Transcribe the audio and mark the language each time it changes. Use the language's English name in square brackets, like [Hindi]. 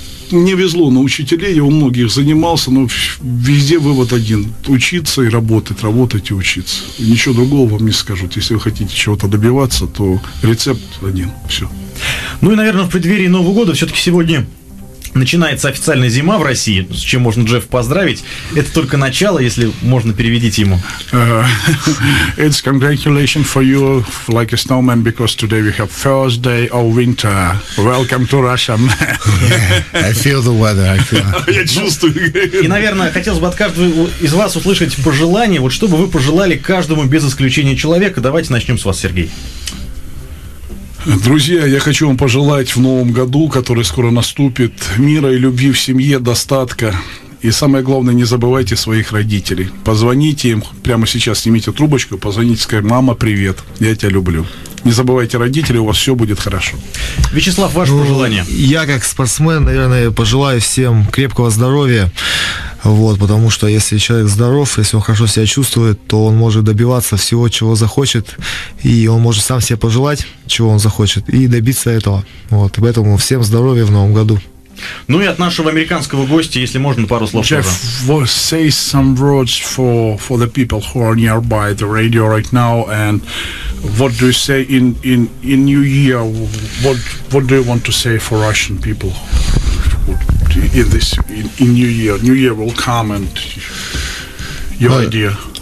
[Russian] Мне везло на учителей, я у многих занимался, но везде вывод один – учиться и работать, работать и учиться. И ничего другого вам не скажут. Если вы хотите чего-то добиваться, то рецепт один, все. Ну и, наверное, в преддверии Нового года, все-таки сегодня начинается официальная зима в России, с чем можно Джефф поздравить. Это только начало, если можно переведить ему. [English] It's congratulations for you, like a snowman, because today we have first day of winter. Welcome to Russia, man. Yeah, I feel the weather, I feel. [Russian] Я чувствую. И, наверное, хотелось бы от каждого из вас услышать пожелание, вот чтобы вы пожелали каждому без исключения человека. Давайте начнем с вас, Сергей. Друзья, я хочу вам пожелать в новом году, который скоро наступит, мира и любви в семье, достатка. И самое главное, не забывайте своих родителей. Позвоните им, прямо сейчас снимите трубочку, позвоните, скажите: «Мама, привет, я тебя люблю». Не забывайте родителей, у вас все будет хорошо. Вячеслав, ваше пожелание. Я как спортсмен, наверное, пожелаю всем крепкого здоровья. Вот, потому что если человек здоров, если он хорошо себя чувствует, то он может добиваться всего, чего захочет, и он может сам себе пожелать, чего он захочет, и добиться этого. Вот, поэтому всем здоровья в новом году. Ну и от нашего американского гостя, если можно, пару слов. [English] Jeff, say some words for the people who are nearby the radio right now, and what do you say in New Year? What do you want to say for Russian people? in this in New Year. New Year will come, and your idea.